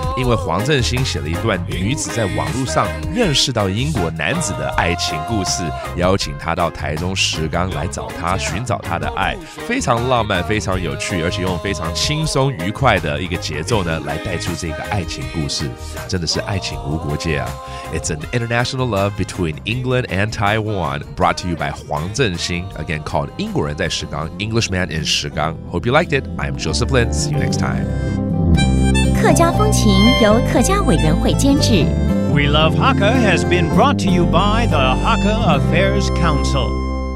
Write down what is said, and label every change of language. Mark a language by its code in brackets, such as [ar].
[zh] 因为黄镇兴写了一段女子在网路上认识到英国男子的爱情故事，邀请他到台中石岡来找他，寻找他的爱，非常浪漫，非常有趣，而且用非常轻松愉快的一个节奏呢，来带出这个爱情故事。真的是爱情无国界啊！ [en] It's an international love between England and Taiwan, brought to you by 黄镇兴 again called 英国人在石岡 Englishman in Shigang. Hope you liked it. I'm Joseph Lin. See you next time. [zh] 客家风情由客家委员会监制。 [en] We Love Hakka has been brought to you by the Hakka Affairs Council.